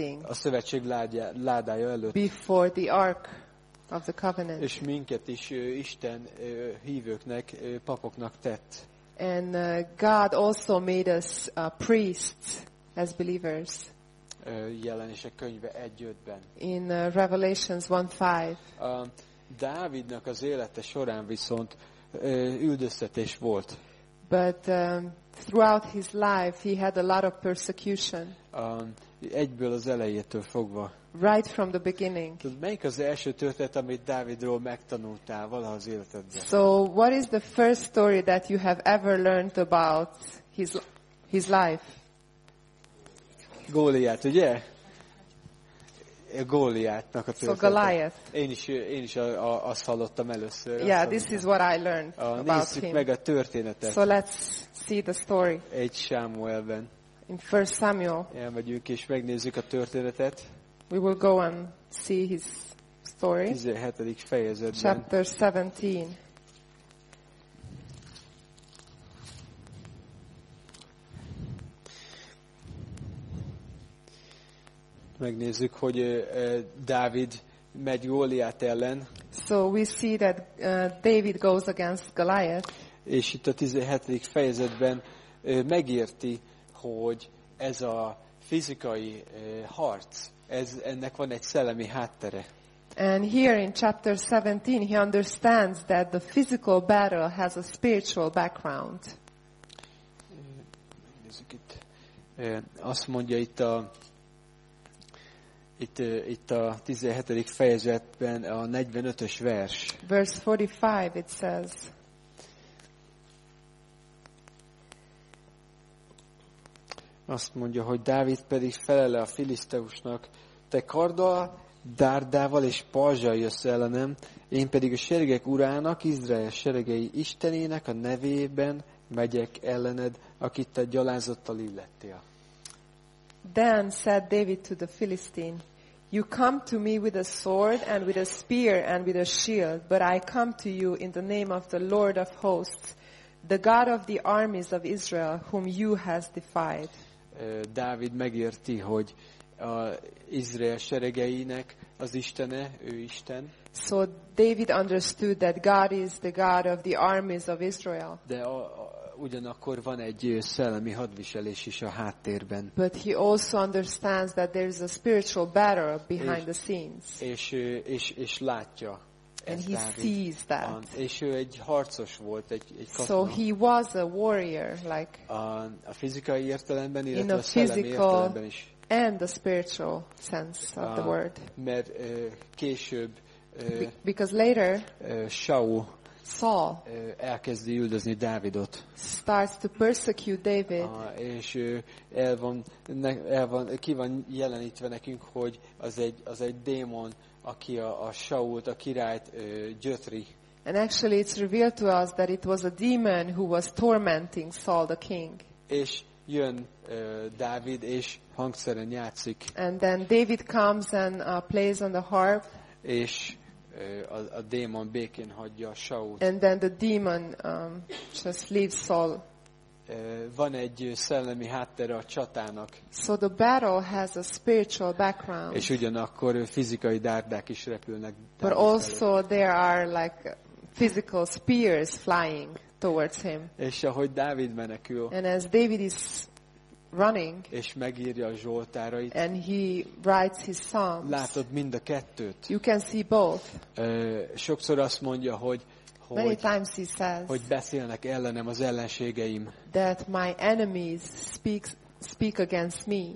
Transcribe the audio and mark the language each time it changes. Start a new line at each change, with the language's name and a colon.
Hungarian: szövetség ládája előtt.
English: Before the Ark of the Covenant.
Hungarian: És minket is Isten hívőknek, papoknak tett.
English: And God also made us priests as believers.
Hungarian: Jelenések könyve 1:5-ben.
English: In Revelations 1:5.
Hungarian: Dávidnak az élete során viszont üldöztetés volt.
English: But throughout his life he had a lot of persecution.
Hungarian: Egyből az elejétől fogva.
English: Right from the beginning.
Hungarian: Melyik az első történet, amit Dávidról megtanultál valaha az életedben?
English: So what is the first story that you have ever learned about his life?
Hungarian: Góliát, ugye? Góliátnak a történet.
English: So Goliath.
Hungarian: Én is azt hallottam először.
English: Yeah, this is what I learned about him.
Hungarian: Nézzük meg a történetet.
English: So let's see the story.
Hungarian: 1 Samuelben.
English: In 1 Samuel.
Hungarian: Elmegyünk és megnézzük a történetet.
English: We will go and see his story.
Hungarian: 17. fejezetben.
English: Chapter 17.
Hungarian: Megnézzük, hogy Dávid megy Góliát ellen.
English: So we see that David goes against Goliath.
Hungarian: És itt a 17. fejezetben megérti, hogy ez a fizikai harc, ennek van egy szellemi háttere.
English: And here in chapter 17 he understands that the physical battle has a spiritual background.
Hungarian: Megnézzük itt. Azt mondja itt a Itt a 17. fejezetben a 45-ös vers.
English: Verse 45, it says. Uh,
Hungarian: Azt mondja, hogy Dávid pedig felele a filiszteusnak, te karddal, dárdával és pajzzsal jössz ellenem, én pedig a seregek urának, Izrael seregei istenének a nevében megyek ellened, akit te gyalázottal illettél.
English: Then said David to the Philistine, you come to me with a sword and with a spear and with a shield, but I come to you in the name of the Lord of hosts, the God of the armies of Israel, whom you has defied.
Hungarian: Dávid megérti, hogy a Izrael seregeinek az Istene, ő Isten.
English: So David understood that God is the God of the armies of Israel.
Hungarian: De ugyanakkor van egy szellemi hadviselés is a háttérben.
English: But he also understands that there is a spiritual battle behind the scenes.
Hungarian: És látja.
English: And he sees that.
Hungarian: És ő egy harcos volt, egy katona.
English: So he was a warrior, like.
Hungarian: A fizikai értelemben, illetve a szellemi értelemben is.
English: And the spiritual sense of the word.
Hungarian: Mert később.
English: Because later.
Hungarian: Saul.
English: Saul.
Hungarian: Elkezdi üldözni Dávidot.
English: Starts to persecute David.
Hungarian: És el van ki van jelenítve nekünk, hogy az egy démon, aki a Sault, a királyt gyötri.
English: And actually it's revealed to us that it was a demon who was tormenting Saul the king.
Hungarian: És jön Dávid és hangszeren játszik.
English: And then David comes and plays on the harp.
Hungarian: És a démon békén hagyja Sault.
English: And then the demon just leaves Saul.
Hungarian: Van egy szellemi háttere a csatának.
English: So the battle has a spiritual background.
Hungarian: És ugyanakkor fizikai dárdák is repülnek.
English: But also there are like physical spears flying towards him.
Hungarian: És ahogy Dávid menekül.
English: And as David is running.
Hungarian: És megírja a zsoltárait.
English: And he writes his psalms.
Hungarian: Látod mind a kettőt.
English: You can see both.
Hungarian: Sokszor azt mondja, hogy
English: many times he says,
Hungarian: hogy beszélnek ellenem az ellenségeim. That my enemies speak against me.